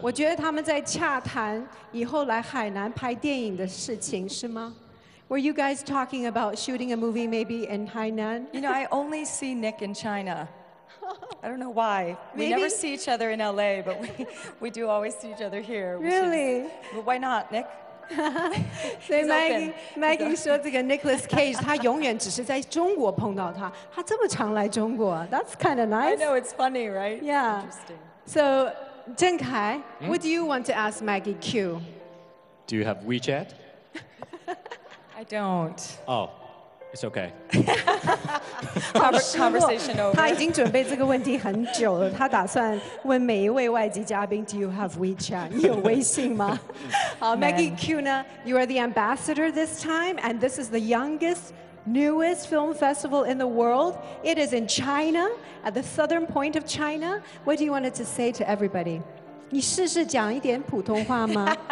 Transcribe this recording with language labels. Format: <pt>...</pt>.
<zh>我觉得他们在洽谈以后来海南拍电影的事情，是吗？</zh> <en>Were you guys talking about shooting a movie maybe in Hainan? You know, I only see Nick in China. I don't know why. We never see each other in LA, but we do always see each other here. Really? But why not, Nick? So Maggie said this Nicolas Cage, he always just in China meet him. He's so long to come to China. That's kind of nice. I know, it's funny, right? Yeah. Interesting. So, Zheng Kai, what do you want to ask Maggie Q? Do you have WeChat? I don't. Oh. It's okay. conversation over.</en> <zh>他已经准备这个问题很久了，他打算问每一位外籍嘉宾 ，</zh> <en>Do you have WeChat?</en> <zh>你有微信吗？好</zh> <en>，Maggie Q 呢 ？You are the ambassador this time, and this is the youngest, newest film festival in the world. It is in China, at the southern point of China. What do you wanted to say to everybody?</en> <zh>你试试讲一点普通话吗？</zh>